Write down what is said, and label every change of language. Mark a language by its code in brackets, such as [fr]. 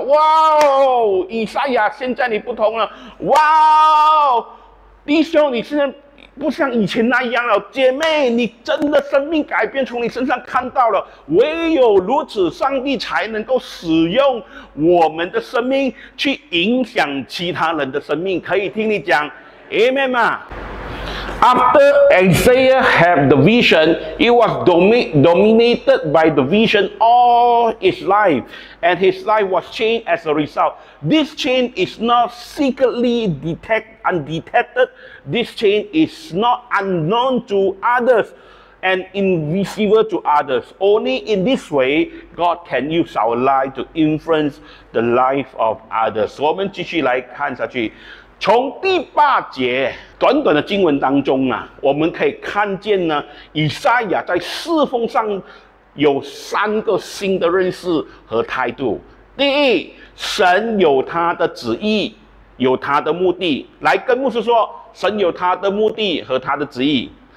[zh] 哇哦，以赛亚，现在你不同了。哇哦，弟兄，你现在不像以前那样了。姐妹，你真的生命改变，从你身上看到了。唯有如此，上帝才能够使用我们的生命去影响其他人的生命。可以听你讲 Amen 吗？ [en] After Isaiah had the vision, he was dominated by the vision all his life, and his life was changed as a result. This change is not secretly undetected. This change is not unknown to others and invisible to others. Only in this way, God can use our life to influence the life of others. [zh] 我们继续来看下去。从第八节短短的经文当中啊，我们可以看见呢，以赛亚在侍奉上有三个新的认识和态度。第一，神有他的旨意，有他的目的，来跟牧师说，神有他的目的和他的旨意。